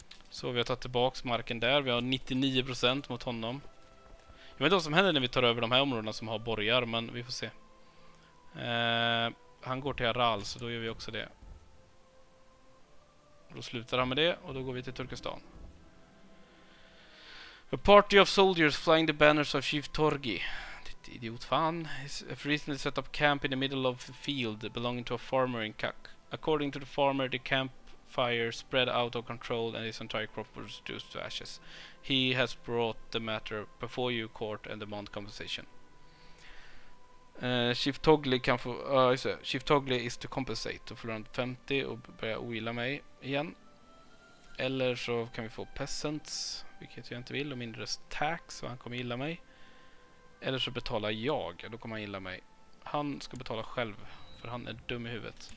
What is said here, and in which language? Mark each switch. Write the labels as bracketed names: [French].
[Swedish] Så vi har tagit tillbaks marken där, vi har 99% mot honom. Jag vet inte vad som händer när vi tar över de här områdena som har borgar, men vi får se. Han går till Aral, så då gör vi också det. Då slutar han med det och då går vi till Turkestan. [English] A party of soldiers flying the banners of Chief Torgi. [Swedish] Ditt idiotfan. [English] He's recently set up camp in the middle of a field belonging to a farmer in Kak. According to the farmer, the campfire spread out of control and his entire crop was reduced to ashes. He has brought the matter before you court and demand compensation. Chief Torgi [Swedish] kan få... [English] Chief Torgi is to compensate. [Swedish] Då förlorar han 50 och börjar ogilla mig igen. Eller så kan vi få peasants, vilket jag inte vill, och mindre tax, så han kommer gilla mig. Eller så betalar jag, då kommer han gilla mig. Han ska betala själv, för han är dum i huvudet.